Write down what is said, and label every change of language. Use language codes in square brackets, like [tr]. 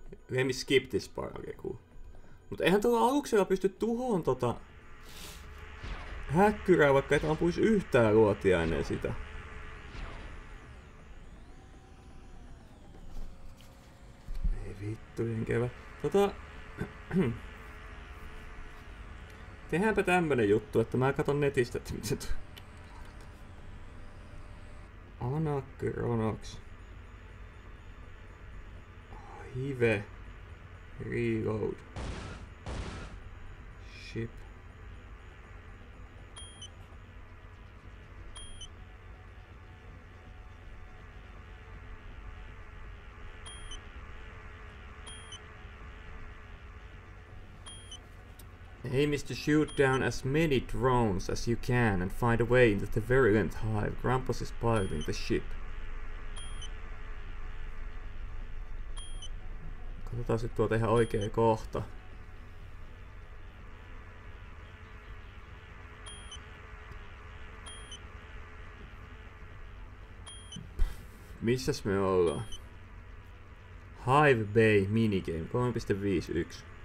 [en] Let me skip this part, okay, cool. [fi] Mut eihän tuolla aluksella pysty tuhoon tota... häkkyrää, vaikka et ampuis yhtään luotia ennen sitä. Ei vittu, jenkevä. Tota... Tehänpä tämmönen juttu, että mä katon netistä, että miten toi... [en] Anakronox. Hive. Reload. Ship. Aim is to shoot down as many drones as you can and find a way into the virulent hive. Grampus is piloting the ship. [fi] Katsotaan sit tuota ihan oikee kohta. Missäs me ollaan? Hive Bay minigame 3.51.